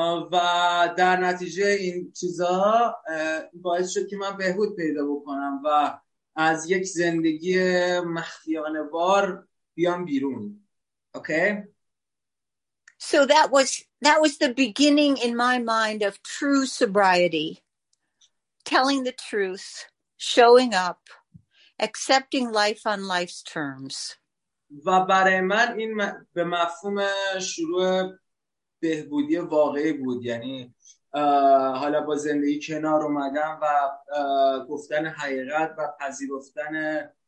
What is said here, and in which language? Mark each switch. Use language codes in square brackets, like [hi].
[fa] و در نتیجه این چیزا باعث شد که من بهبود پیدا بکنم و از یک زندگی مخفیانه وار بیام بیرون. [en] Okay. So that was the beginning in my mind of true sobriety, telling the truth, showing up, accepting life on life's terms. [fa] و برای من این به مفهوم شروع بهبودی واقعی بود، یعنی حالا با زندگی کنار اومدم و گفتن حقیقت و پذیرفتن